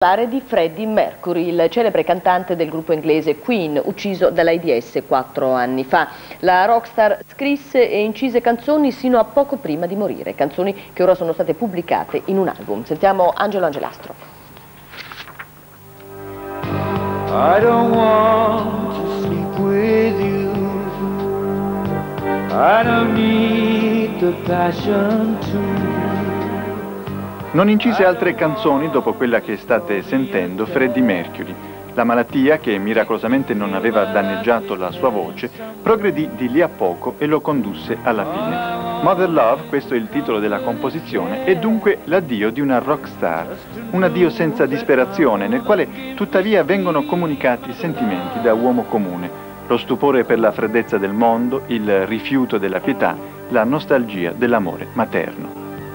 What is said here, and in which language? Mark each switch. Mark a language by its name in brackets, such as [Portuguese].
[Italian] Parlare di Freddie Mercury, il celebre cantante del gruppo inglese Queen, ucciso dall'AIDS 4 anni fa. La rockstar scrisse e incise canzoni sino a poco prima di morire, canzoni che ora sono state pubblicate in un album. Sentiamo Angelo Angelastro. [English] I don't want to sleep with you. I don't need the passion to. [Italian] Non incise altre canzoni dopo quella che state sentendo, Freddie Mercury. La malattia, che miracolosamente non aveva danneggiato la sua voce, progredì di lì a poco e lo condusse alla fine. Mother Love, questo è il titolo della composizione, è dunque l'addio di una rock star, un addio senza disperazione, nel quale tuttavia vengono comunicati sentimenti da uomo comune, lo stupore per la freddezza del mondo, il rifiuto della pietà, la nostalgia dell'amore materno.